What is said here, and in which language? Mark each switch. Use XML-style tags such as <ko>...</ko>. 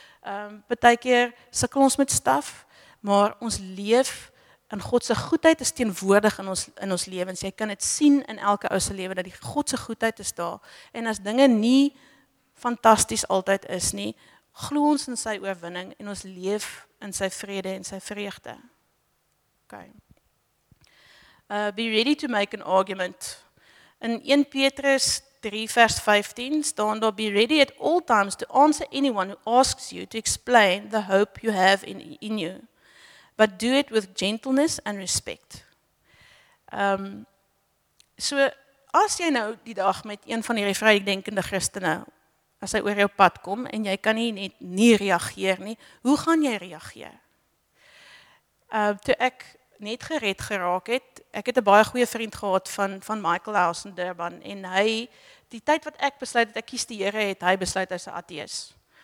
<af>Partykeer sukkel ons met staf, maar ons leef in God se goedheid is teenwoordig in ons lewens. Jy kan dit sien in elke ou se lewe dat die God se goedheid is daar. En as dinge nie fantasties altyd is nie, glo ons in sy oorwinning en ons leef in sy vrede en sy vreugde.</af> <en>Okay. Be ready to make an argument.</en> <af>In 1 Petrus 3 vers 15 staan daar,</af> <en>be ready at all times to answer anyone who asks you to explain the hope you have in you, but do it with gentleness and respect.</en> <af>So as jy nou die dag met een van die vrydenkende Christene, as hy oor jou pad kom en jy kan nie net nie reageer nie, hoe gaan jy reageer? Toe ek net gered geraak het, ek het 'n baie goeie vriend gehad van Michael House in Durban, en hy, die tyd wat ek besluit het, ek kies die Here, het hy besluit as 'n atheist.</af>